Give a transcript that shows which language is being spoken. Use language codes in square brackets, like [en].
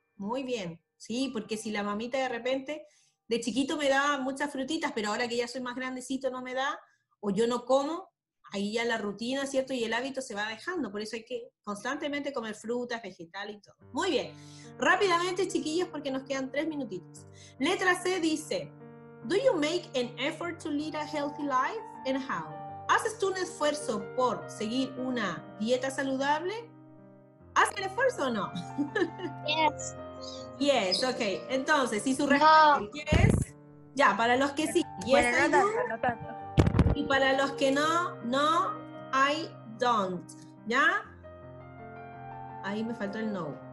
[es] Muy bien, sí, porque si la mamita de repente, de chiquito me daba muchas frutitas, pero ahora que ya soy más grandecito no me da, o yo no como, ahí ya la rutina, ¿cierto? Y el hábito se va dejando, por eso hay que constantemente comer frutas, vegetales y todo. Muy bien, rápidamente chiquillos porque nos quedan 3 minutitos. Letra C dice, [en] ¿Do you make an effort to lead a healthy life and how? [es] ¿Haces tú un esfuerzo por seguir una dieta saludable? ¿Haces el esfuerzo o no? [en] Yes. Yes, ok. [es] Entonces, si su respuesta es yes, ya, para los que sí, yes, bueno, no tanto. Y para los que no, [en] no, I don't. [es] ¿Ya? Ahí me faltó el no.